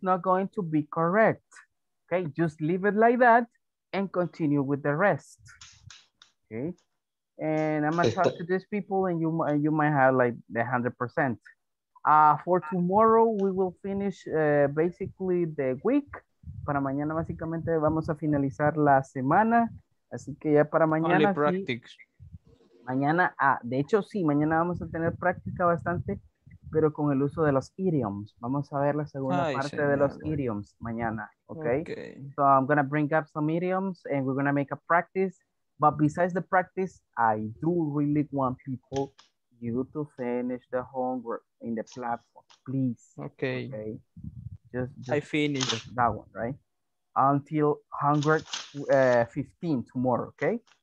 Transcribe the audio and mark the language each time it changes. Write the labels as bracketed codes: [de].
[en] not going to be correct. Okay, just leave it like that. And continue with the rest, okay? And I'm gonna talk to these people, and you might have like the 100%. For tomorrow, we will finish basically the week. [es] Para mañana básicamente vamos a finalizar la semana, así que ya para mañana. [en] Only practice. [es] Sí. Mañana, de hecho sí, mañana vamos a tener práctica bastante, pero con el uso de los idioms. Vamos a ver la segunda parte de los idioms mañana, okay? [en] So I'm gonna bring up some idioms and we're gonna make a practice. But besides the practice, I do really want people, you to finish the homework in the platform, please. Okay. Just I finish. Just that one, right? Until homework 15 tomorrow, okay?